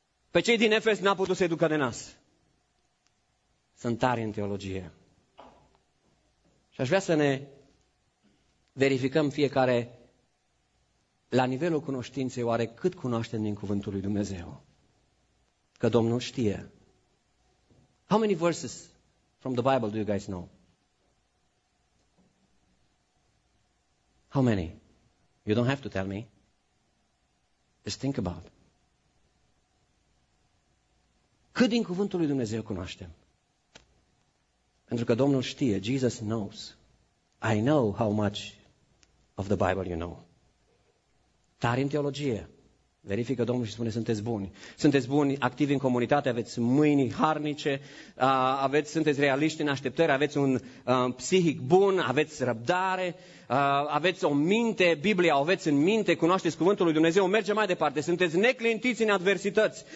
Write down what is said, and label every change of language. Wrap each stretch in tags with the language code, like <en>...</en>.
<ro>Pe cei din Efes n-a putut să-i ducă de nas. Sunt tari în teologie. Și aș vrea să ne verificăm fiecare la nivelul cunoștinței, oare cât cunoaștem din cuvântul lui Dumnezeu. că Domnul știe.</ro> <en>How many verses from the Bible do you guys know? How many? You don't have to tell me. Just think about.</en> <ro>Cât din cuvântul lui Dumnezeu cunoaștem? Pentru că Domnul știe,</ro> <en>Jesus knows. I know how much of the Bible you know.</en> <ro>Tari în teologie. Verifică Domnul și spune, sunteți buni. Sunteți buni, activi în comunitate, aveți mâini harnice, aveți, sunteți realiști în așteptări, aveți un psihic bun, aveți răbdare, aveți o minte, Biblia o aveți în minte, cunoașteți cuvântul lui Dumnezeu, merge mai departe, sunteți neclintiți în adversități.</ro>